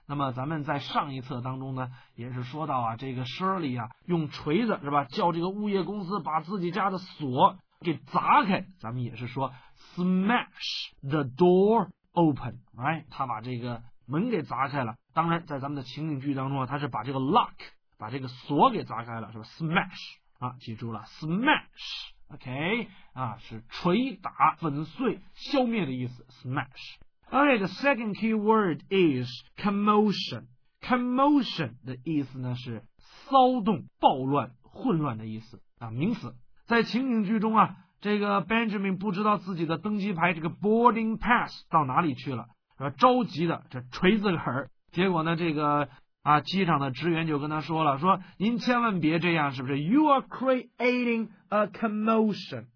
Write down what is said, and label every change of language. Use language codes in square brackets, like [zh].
[zh] 那么咱们在上一册当中呢也是说到啊，这个 Shirley 啊用锤子是吧叫这个物业公司把自己家的锁给砸开，咱们也是说 [en] smash the door open， [zh] 哎，他把这个门给砸开了。当然在咱们的情景剧当中啊，他是把这个 lock 把这个锁给砸开了是吧 smash 啊，记住了 smash， OK, 啊，是捶打、粉碎、消灭的意思 ,smash. [en] OK, the second key word is commotion. [zh] Commotion 的意思呢是骚动、暴乱、混乱的意思啊，名词。在情景剧中啊，这个 Benjamin 不知道自己的登机牌这个 boarding pass 到哪里去了，着急的这锤子狠，结果呢这个啊，机场的职员就跟他说了，说您千万别这样，是不是 ？ [en] You are creating a commotion。